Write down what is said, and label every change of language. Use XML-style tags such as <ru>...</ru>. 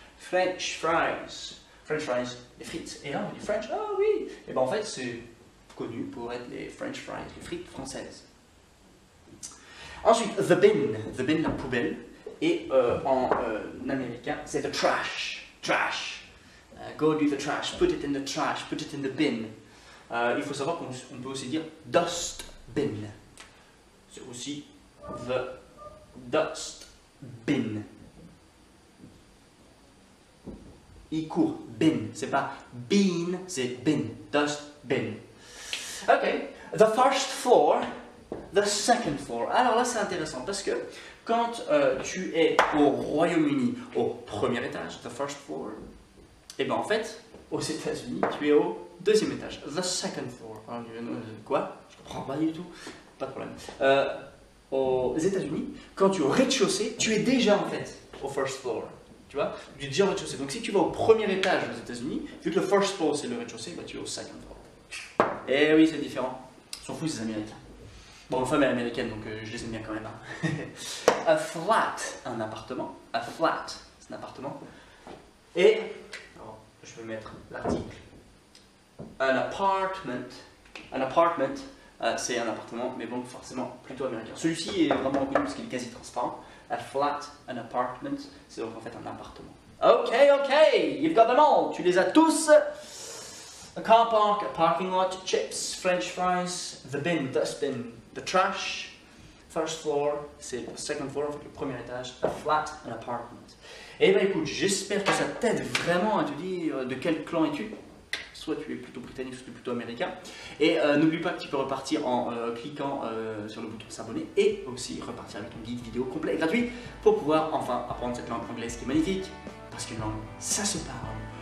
<en>French fries. French fries,</en> <fr>les frites. Et là, on dit French, ah oui. Et bien en fait, c'est connu pour être les French fries, les frites françaises. Ensuite,</fr> <en>the bin,</en> <fr>la poubelle. Et en américain, c'est</fr> <en>the trash. Trash. Go do the trash, put it in the trash, put it in the bin.</en> <fr>Il faut savoir qu'on peut aussi dire dust bin. C'est aussi the. Dust bin. Il court. Bin. C'est pas bean, c'est bin. Dust bin. Ok.</fr> <en>The first floor, the second floor.</en> <fr>Alors là, c'est intéressant parce que quand tu es au Royaume-Uni, au premier étage,</fr> <en>the first floor,</en> <fr>et bien en fait, aux États-Unis, tu es au deuxième étage,</fr> <en>the second floor.</en> <fr>Alors, quoi? Je comprends pas du tout. Pas de problème. Aux États-Unis, quand tu es au rez-de-chaussée, tu es déjà en fait au first floor. Tu vois? Tu es déjà au rez-de-chaussée. Donc si tu vas au premier étage aux États-Unis, vu que le first floor c'est le rez-de-chaussée, bah, tu es au second floor. Eh oui, c'est différent. Ils sont fous ces Américains. Bon, ma femme est américaine donc je les aime bien quand même. Hein. A flat, un appartement. A flat, c'est un appartement. Et, alors, je vais mettre l'article.</fr> <en>An apartment. An apartment.</en> <fr>C'est un appartement, mais bon, forcément, plutôt américain. Celui-ci est vraiment connu parce qu'il est quasi transparent. A flat, an apartment, c'est donc en fait un appartement.</fr> <en>Ok, ok, you've got them all,</en> <fr>tu les as tous.</fr> <en>A car park, a parking lot, chips, french fries, the bin, dustbin, the trash. First floor,</en> <fr>c'est le</fr> <en>second floor,</en> <fr>le premier étage.</fr> <en>A flat, an apartment.</en> <fr>Eh bien écoute, j'espère que ça t'aide vraiment à te dire de quel clan es-tu. Soit tu es plutôt britannique, soit tu es plutôt américain. Et n'oublie pas que tu peux repartir en cliquant sur le bouton s'abonner et aussi repartir avec ton guide vidéo complet et gratuit pour pouvoir enfin apprendre cette langue anglaise qui est magnifique parce qu'une langue, ça se parle.</fr>